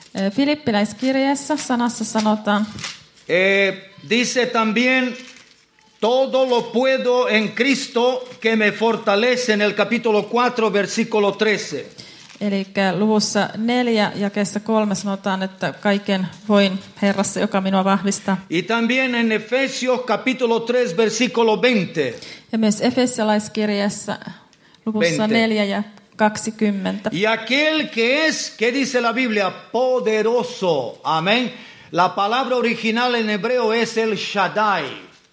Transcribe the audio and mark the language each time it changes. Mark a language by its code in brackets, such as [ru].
[fi] Filippiläiskirjeessä sanassa sanotaan. [es] Dice también Todo lo puedo en Cristo que me fortalece en el capítulo 4 versículo 13. [fi] Eli luvussa 4 ja kessa 3 sanotaan, että kaiken voin Herrassa, joka minua vahvistaa. [es] Y también en Efesios capítulo 3 versículo 20. [fi] Ja myös Efesialaiskirjassa luvussa 4 ja 20. [es] Y aquel que es, que dice la Biblia, poderoso. Amén. La palabra original en hebreo es el Shaddai.